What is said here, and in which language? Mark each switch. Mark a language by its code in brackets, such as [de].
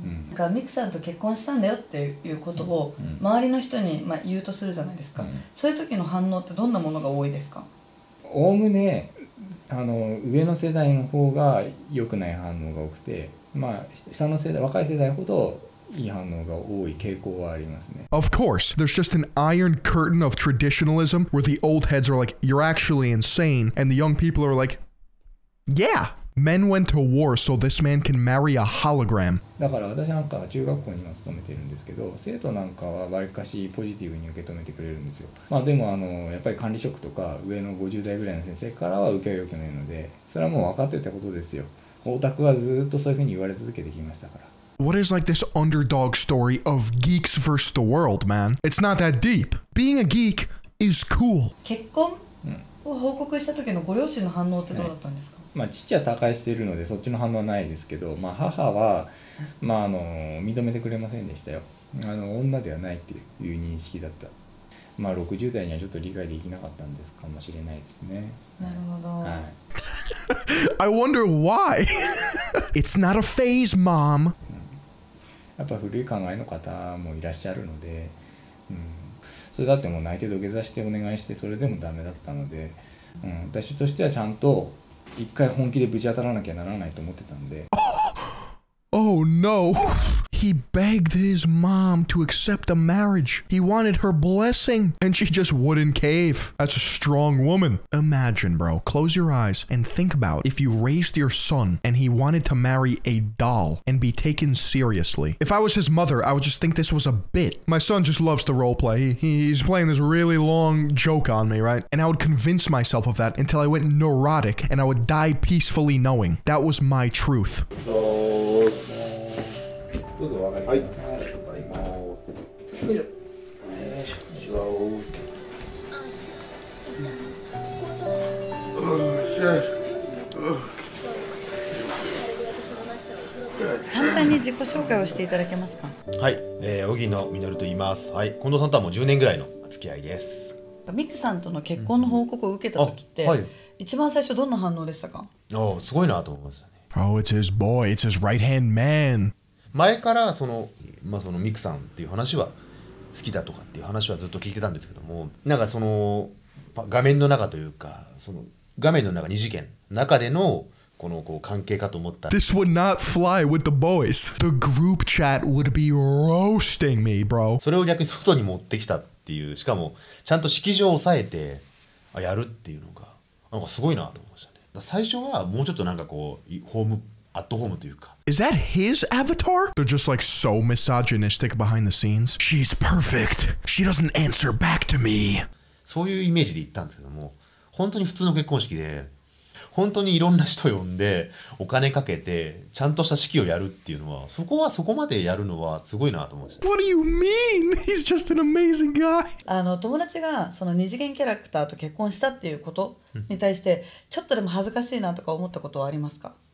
[ja] なんかミクさんと結婚したんだよっていうことを周りの人に、まあ、言うとするじゃないですか、うん、そういう時の反応ってどんなものが多いですか？おおむねあの上の世代の方が良くない反応が多くて、まあ、下の世代、若い世代ほどいい反応が多い傾向はありますね。 [en] Of course, there's just an iron curtain of traditionalism where the old heads are like, you're actually insane, and the young people are like, yeah! Men went to war so this man can marry a hologram. [ja] だから私なんかは中学校に今勤めてるんですけど、生徒なんかはわりかしポジティブに受け止めてくれるんですよ。まあでもあのやっぱり管理職とか上の50代ぐらいの先生からは受けは良くないので、それはもう分かってたことですよ。オタクはずっとそういうふうに言われ続けてきましたから。 [en] What is like this underdog story of geeks versus the world, man? It's not that deep. Being a geek is cool. [ja] 結婚を報告した時のご両親の反応ってどうだったんですか？ね、まあ、父は他界しているのでそっちの反応はないですけど、まあ、母は、まあ、認めてくれませんでしたよ。女ではないっていう認識だった。まあ、60代にはちょっと理解できなかったんですかもしれないですね。なるほど、はい、 [en] I wonder why. It's not a phase, mom. [ja] やっぱ古い考えの方もいらっしゃるので、うん、それだってもう泣いて土下座してお願いしてそれでもダメだったので、うん、私としてはちゃんと一回本気でぶち当たらなきゃならないと思ってたんで。 [en] Oh no. He begged his mom to accept a marriage. He wanted her blessing and she just wouldn't cave. That's a strong woman. Imagine, bro. Close your eyes and think about if you raised your son and he wanted to marry a doll and be taken seriously. If I was his mother, I would just think this was a bit. My son just loves to roleplay. He's playing this really long joke on me, right? And I would convince myself of that until I went neurotic and I would die peacefully knowing. That was my truth. [ja] 簡単に自己紹介をしていただけますか。はい、荻野実と言います。はい、近藤さんとはもう10年ぐらいの付き合いです。ミクさんとの結婚の報告を受けた時って、うん、はい、一番最初どんな反応でしたか。おー、すごいなと思いますね。 [en] Oh, it's his boy, it's his right hand man。 [ja] 前からその、まあ、そのミクさんっていう話は好きだとかっていう話はずっと聞いてたんですけども、なんかその画面の中というか、その画面の中二次元中でのこのこう関係かと思った。 [en] This would not fly with the boys. The group chat would be roasting me, bro. [ja] それを逆に外に持ってきたっていう、しかもちゃんと式場を抑えてやるっていうのがなんかすごいなと思いましたね。最初はもうちょっとなんかこうホームアットホームというか。 [en] Is that his avatar? They're just like so misogynistic behind the scenes. She's perfect. She doesn't answer back to me. [ja] そういうイメージで言ったんですけども、本当に普通の結婚式で、本当にいろんな人呼んで、お金かけて、ちゃんとした式をやるっていうのは、そこはそこまでやるのはすごいなと思いました。 [en] What do you mean? He's just an amazing guy. [ja] 友達がその二次元キャラクターと結婚したっていうことに対して、ちょっとでも恥ずかしいなとか思ったことはありますか？